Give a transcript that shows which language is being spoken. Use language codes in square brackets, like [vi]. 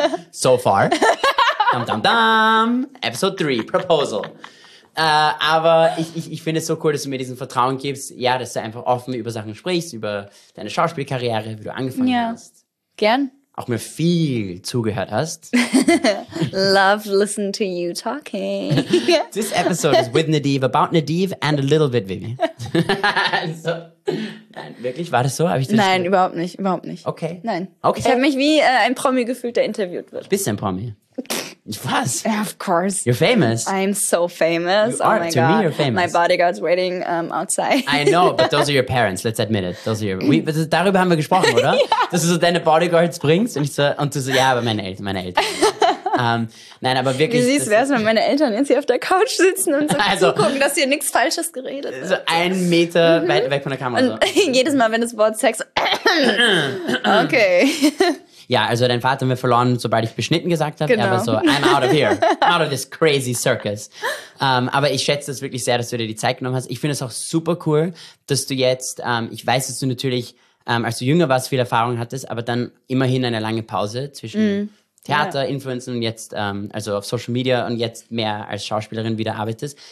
[en] So far. Dum, dum, dum. Episode 3, Proposal. [de] Aber ich finde es so cool, dass du mir diesen Vertrauen gibst, ja, dass du einfach offen über Sachen sprichst, über deine Schauspielkarriere, wie du angefangen hast. Ja, gern. Auch mir viel zugehört hast. [en] Love listen to you talking. This episode is with Nadeve, about Nadeve and a little bit Vivi. [de] So, nein, wirklich? War das so? Hab ich das nein, überhaupt nicht. Okay. Nein. Okay. Ich habe mich wie ein Promi gefühlt, der interviewt wird. Bist du ein Promi? Was? [en] Of course. You're famous. I'm so famous. You are. Oh my to God. Me, you're famous. My bodyguard's waiting outside. I know, but those are your parents. Let's admit it. Those are your. [de] Darüber haben wir gesprochen, oder? Dass du so deine Bodyguards bringst und du so, ja, aber meine Eltern. Nein, aber wirklich. Wie siehst du, wenn meine Eltern jetzt hier auf der Couch sitzen und so also, gucken, dass hier nichts Falsches geredet wird. So 1 Meter weit weg von der Kamera. Und so. Jedes Mal, wenn das Wort Sex. Okay. Ja, also dein Vater haben wir verloren, sobald ich beschnitten gesagt habe. Genau. [en] Er war so, I'm out of here. I'm out of this crazy circus. [de] Aber ich schätze es wirklich sehr, dass du dir die Zeit genommen hast. Ich finde es auch super cool, dass du jetzt, ich weiß, dass du natürlich, als du jünger warst, viel Erfahrung hattest, aber dann immerhin eine lange Pause zwischen Theater, Influencern und jetzt, also auf Social Media und jetzt mehr als Schauspielerin wieder arbeitest.